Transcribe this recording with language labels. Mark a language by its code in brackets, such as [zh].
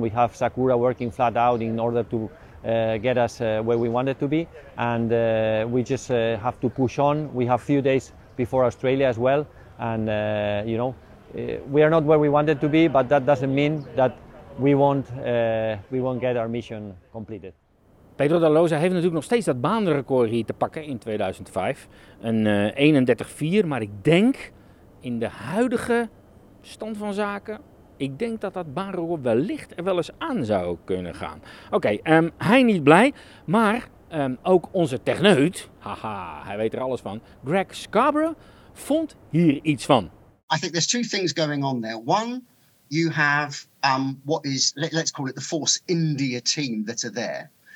[en] We have Sakura working flat out in order to get us where we wanted to be, and we just have to push on. We have a few days before Australia as well, and you know, we are not where we wanted to be, but that doesn't mean that we won't get our mission completed. [nl] Pedro de la Rosa heeft natuurlijk nog steeds dat baanrecord hier te pakken in 2005. Een 31-4, maar ik denk in de huidige stand van zaken, ik denk dat dat baanrecord wellicht er wel eens aan zou kunnen gaan. Oké, hij niet blij, maar ook onze techneut, haha, hij weet er alles van, Greg Scarborough, vond hier iets van. [en] I think there's two things going on there. One, you have what is, let's call it the Force India team that are there.